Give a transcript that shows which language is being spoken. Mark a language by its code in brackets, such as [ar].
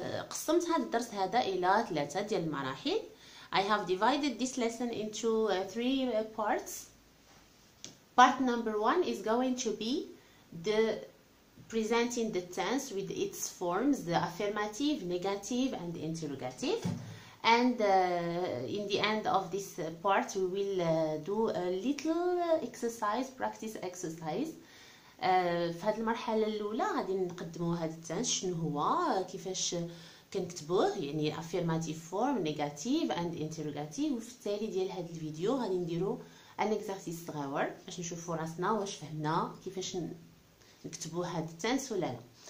[ar] قسمت هذا الدرس هذا إلى ثلاثة ديال المراحل. [en] I have divided this lesson into three parts. Part number one is going to be the presenting the tense with its forms, the affirmative, negative, and interrogative. And in the end of this part, we will do a little exercise, practice exercise. [ar] في هذه المرحلة الأولى غادي نقدموا هذا التنس شنو هو، كيفاش كنكتبوه، يعني [en] affirmative form, negative, and interrogative. [ar] وفي التالي ديال هذا الفيديو غادي نديروا ان اكزارسيس صغير باش نشوفوا راسنا واش فهمنا كيفاش نكتبوا هذا التنس ولا لا.